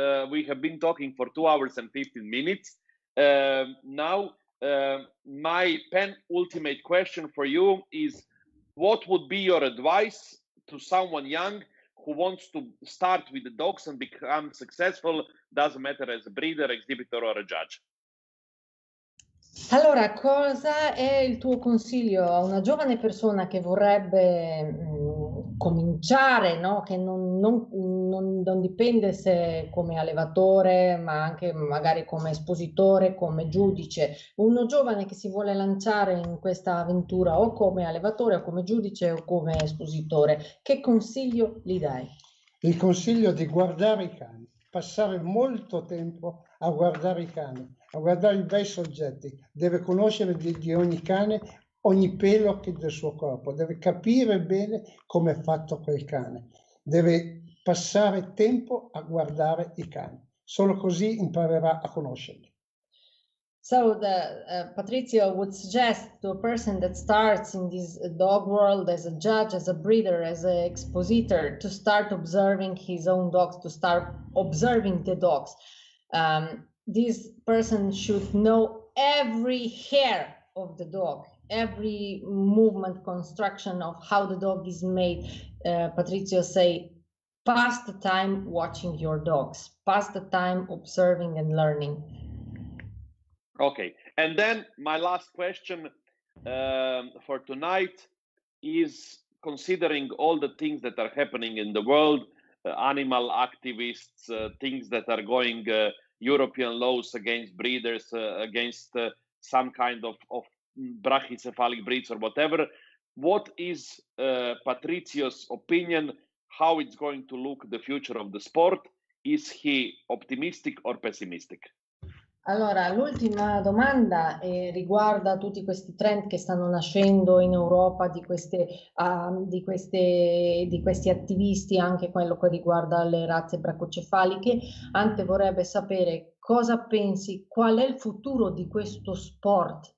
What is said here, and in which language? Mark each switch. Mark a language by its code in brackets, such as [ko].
[en] We have been talking for 2 hours and 15 minutes. Now, my penultimate question for you is, what would be your advice to someone young who wants to start with the dogs and become successful, doesn't matter as a breeder, exhibitor or a judge? [it] Allora, cosa è il tuo consiglio a una giovane persona che vorrebbe cominciare, no? Che non dipende se come allevatore, ma anche magari come espositore, come giudice. Uno giovane che si vuole lanciare in questa avventura o come allevatore o come giudice o come espositore, che consiglio gli dai? Il consiglio di guardare i cani, passare molto tempo a guardare i cani, a guardare i bei soggetti. Deve conoscere di ogni cane ogni pelo che del suo corpo, deve capire bene come è fatto quel cane, deve passare tempo a guardare i cani, solo così imparerà a conoscerli. [en] So the Patrizio would suggest to a person that starts in this dog world as a judge, as a breeder, as an expositor, to start observing his own dogs, to start observing the dogs. This person should know every hair of the dog, every movement, construction of how the dog is made. Patrizio say, pass the time watching your dogs, pass the time observing and learning. Okay, And then my last question for tonight is, considering all the things that are happening in the world, animal activists, things that are going, European laws against breeders, against some kind of brachycephalic breeds or whatever, what is Patrizio's opinion, how it's going to look the future of the sport? Is he optimistic or pessimistic? [it] Allora, l'ultima domanda riguarda tutti questi trend che stanno nascendo in Europa di questi attivisti, anche quello che riguarda le razze bracocefaliche. Ante vorrebbe sapere cosa pensi, qual è il futuro di questo sport?